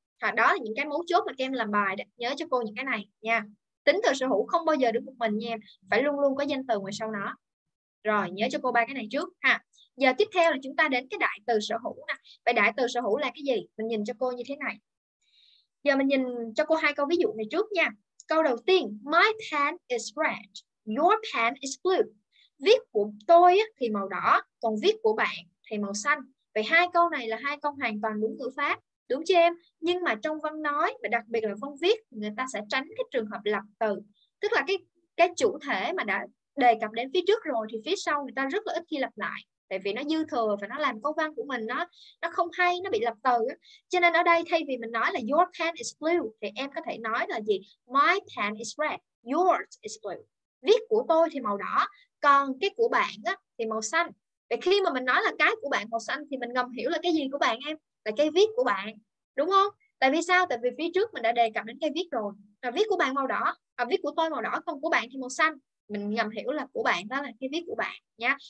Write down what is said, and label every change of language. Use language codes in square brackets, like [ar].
[vi] Đó là những cái mấu chốt mà các em làm bài đấy. Nhớ cho cô những cái này nha. Tính từ sở hữu không bao giờ đứng một mình nha em. Phải luôn luôn có danh từ ngoài sau nó. Rồi, nhớ cho cô ba cái này trước ha. Giờ tiếp theo là chúng ta đến cái đại từ sở hữu nè. Vậy đại từ sở hữu là cái gì? Mình nhìn cho cô như thế này. Giờ mình nhìn cho cô hai câu ví dụ này trước nha. Câu đầu tiên, [en] my pen is red, your pen is blue. [vi] Viết của tôi thì màu đỏ, còn viết của bạn thì màu xanh. Vậy hai câu này là hai câu hoàn toàn đúng ngữ pháp, đúng chưa em? Nhưng mà trong văn nói và đặc biệt là văn viết, người ta sẽ tránh cái trường hợp lặp từ. Tức là cái chủ thể mà đã đề cập đến phía trước rồi thì phía sau người ta rất là ít khi lặp lại. Tại vì nó dư thừa và nó làm câu văn của mình nó không hay, nó bị lặp từ. Cho nên ở đây thay vì mình nói là [en] your pen is blue [vi] thì em có thể nói là gì? [en] My pen is red, yours is blue. [vi] Viết của tôi thì màu đỏ, còn cái của bạn thì màu xanh. Vậy khi mà mình nói là cái của bạn màu xanh thì mình ngầm hiểu là cái gì của bạn em? Là cái viết của bạn, đúng không? Tại vì sao? Tại vì phía trước mình đã đề cập đến cái viết rồi. Là viết của bạn màu đỏ, à, viết của tôi màu đỏ, còn của bạn thì màu xanh. Mình ngầm hiểu là của bạn, đó là cái viết của bạn nha.